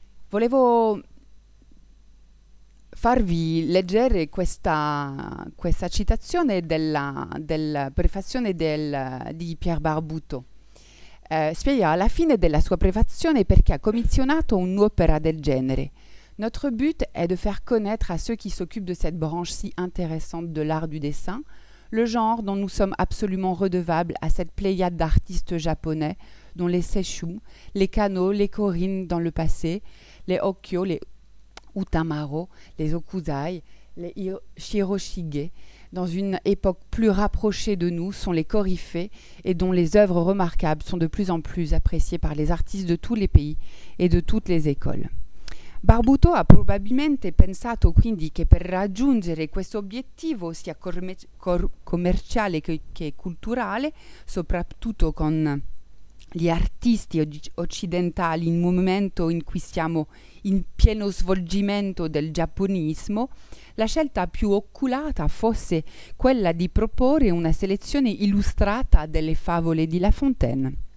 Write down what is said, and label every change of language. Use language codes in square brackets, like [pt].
[it] Volevo farvi leggere questa citazione della prefazione di Pierre Barbuto. Spiega alla fine della sua prefazione perché ha commissionato un'opera del genere. [fr] Notre but est de faire connaître à ceux qui s'occupent de cette branche si intéressante de l'art du dessin le genre dont nous sommes absolument redevables à cette pléiade d'artistes japonais dont les Seishu, les Kano, les Corinne dans le passé, les Okyo, les Utamaro, les Okuzai, les Shiroshige, dans une époque plus rapprochée de nous, sont les coryphées et dont les œuvres remarquables sont de plus en plus appréciées par les artistes de tous les pays et de toutes les écoles. [it] Barbuto ha probabilmente pensato quindi che per raggiungere questo obiettivo, sia commerciale che culturale, soprattutto con gli artisti occidentali in un momento in cui siamo in pieno svolgimento del giapponismo, la scelta più oculata fosse quella di proporre una selezione illustrata delle favole di La Fontaine.